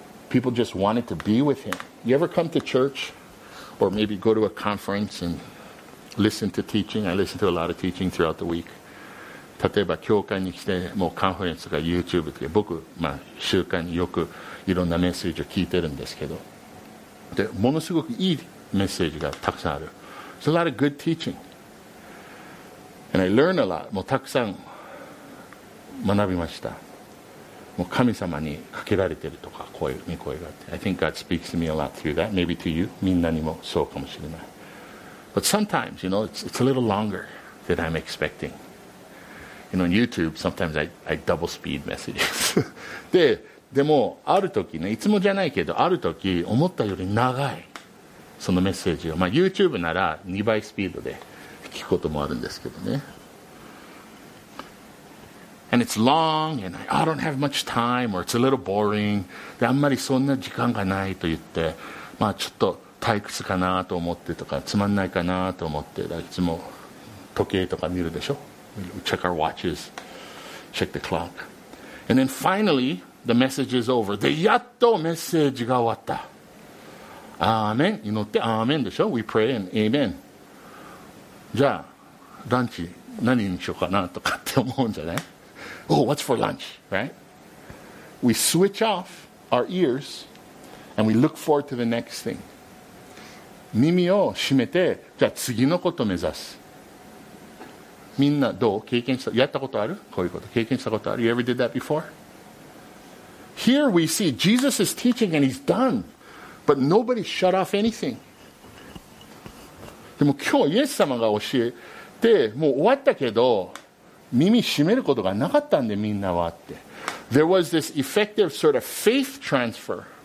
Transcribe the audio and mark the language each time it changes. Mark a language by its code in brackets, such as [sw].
[en] People just wanted to be with him. You ever come to church? Or maybe go to a conference and listen to teaching. I listen to a lot of teaching throughout the week. [ja] 例えば教会に来て、もうカンファレンスとか YouTube とか、僕、まあ、習慣によくいろんなメッセージを聞いてるんですけど、で、ものすごくいいメッセージがたくさんある。 [en] It's a lot of good teaching. And I learn a lot. [ja] もうたくさん学びました。もう神様にかけられてるとか声、見声があって。 [en] I think God speaks to me a lot through that. Maybe to you. [ja] みんなにもそうかもしれない。 [en] But sometimes, you know, it's a little longer than I'm expecting. You know, on YouTube, sometimes I double speed messages. [ja] でもある時ね、いつもじゃないけど、ある時思ったより長い。そのメッセージを、まあ、YouTube なら2倍スピードで聞くこともあるんですけどね。 [en] And it's long, and I don't have much time, or it's a little boring. [ja] で、あんまりそんな時間がないと言って、まあちょっと退屈かなと思ってとか、つまんないかなと思って、だからいつも時計とか見るでしょ。 [en] We check our watches, check the clock. And then finally, the message is over. [ja] で、やっとメッセージが終わった。アーメン。祈って、アーメンでしょ。 [en] We pray and amen. [ja] じゃあ、ランチ何にしようかなとかって思うんじゃない？ [en] Oh, what's for lunch, right? We switch off our ears and we look forward to the next thing. [ja] 耳を閉めて、じゃあ次のことを目指す。みんなどう？経験した？やったことある？こういうこと。経験したことある？ [en] You ever did that before? Here we see Jesus is teaching and he's done. But nobody shut off anything. [ja] でも今日イエス様が教えて、もう終わったけど、耳閉めることがなかったんで、みんなはって。 [en] There was this effective sort of faith transfer.